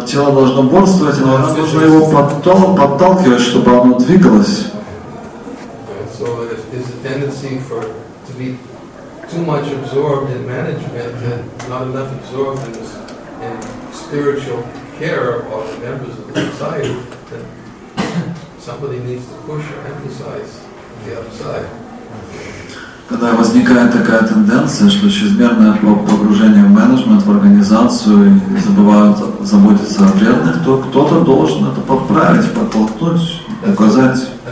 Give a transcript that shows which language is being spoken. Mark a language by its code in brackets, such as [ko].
[ru] тело должно бодрствовать, но оно должно его подталкивать, чтобы оно двигалось. [en] So if there's a tendency for to be too much absorbed in management and not enough absorbed in spiritual care of the members of the society, then somebody needs to push or emphasize the other side. [ru] Когда возникает такая тенденция, что чрезмерное погружение в менеджмент, в организацию и забывают заботиться о преданных, то кто-то должен это подправить, подтолкнуть, указать.